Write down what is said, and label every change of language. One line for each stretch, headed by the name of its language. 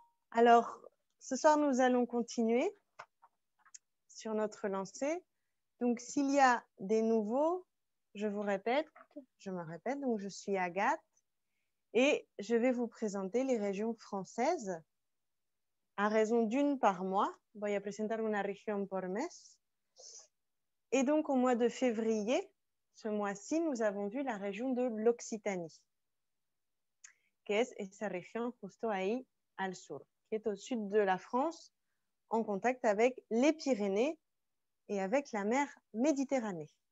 French: Alors, ce soir, nous allons continuer sur notre lancée. Donc, s'il y a des nouveaux, je vous répète, je me répète, donc je suis Agathe. Et je vais vous présenter les régions françaises à raison d'une par mois.
Spanish: Voy a presentar una región por mes.
French: Et donc, au mois de février, ce mois-ci, nous avons vu la région de l'Occitanie. Qu'est-ce? Et sa région,
Spanish: justo ahí, al sur,
French: qui est au sud de la France, en contact avec les Pyrénées et avec la mer Méditerranée.